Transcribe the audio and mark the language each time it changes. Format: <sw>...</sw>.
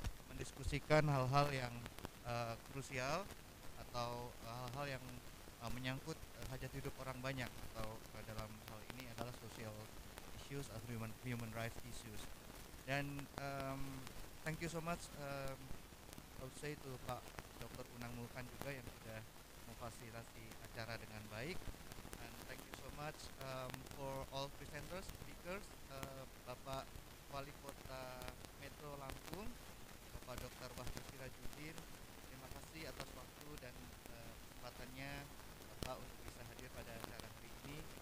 <id>mendiskusikan hal-hal yang krusial atau hal-hal yang menyangkut hajat hidup orang banyak atau dalam hal ini adalah</id> <en>social issues</en> <id>atau</id> <en>human rights issues. Dan thank you so much I would say to Pak Dr.</en> <id>Unang Mulkan juga yang sudah memfasilitasi acara dengan baik.</id> <en>And thank you so much for all presenters, speakers,</en> <id>Bapak Wali Kota</id> <en>Metro Lampung, Bapak Dr.</en> <id>Wahyu Sirajuddin, terima kasih atas waktu dan kesempatannya untuk bisa hadir pada acara hari ini.</id>